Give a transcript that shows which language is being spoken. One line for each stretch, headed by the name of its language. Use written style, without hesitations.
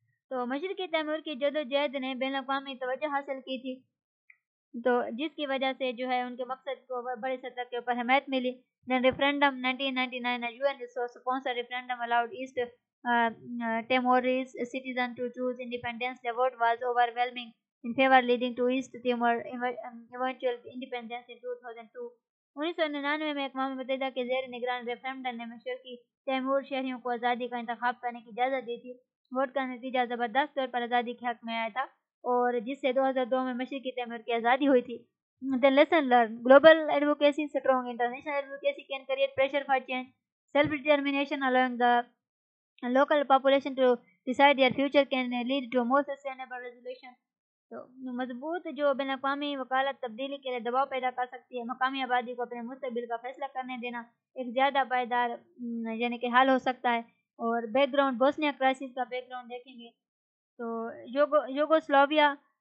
Urdu: تو مشرقی تیمور کی جد و جہد نے بین الاقوامی توجہ حاصل کی تھی تو جس کی وجہ سے جو ہے ان کے مقصد کو بڑے سطح کے اوپر حمایت ملی
English: Then referendum 1999 Timorese citizen to choose independence. The vote was overwhelming in favor, leading to East Timor eventual independence in 2002.
Urdu: 1999 میں اقوام متحدہ کے زیر نگران ریفرنڈم نے مشرقی تیمور شہریوں کو آزادی کا انتخاب کرنے کی اجازت دی تھی. ووٹ کا نتیجہ زبردست طور پر آزادی کے حق میں آیا تھا اور جس سے 2002 میں مشرقی تیمور کی آزادی ہوئی تھی.
English: Then lesson learned. Global advocacy strong international advocacy can create pressure for change. Self-determination allowing the local population to decide their future can lead to a more sustainable resolution.
Urdu: So, مضبوط جو بین الاقوامی وکالت تبدیلی کے لیے دباؤ پیدا کر سکتی ہے مقامی آبادی کو اپنے مستقبل کا فیصلہ کرنے دینا ایک زیادہ پائیدار یعنی کہ حل ہو سکتا ہے اور بیک گراؤنڈ بوسنیا کرائسس کا بیک گراؤنڈ دیکھیں گے تو یوگوسلاویا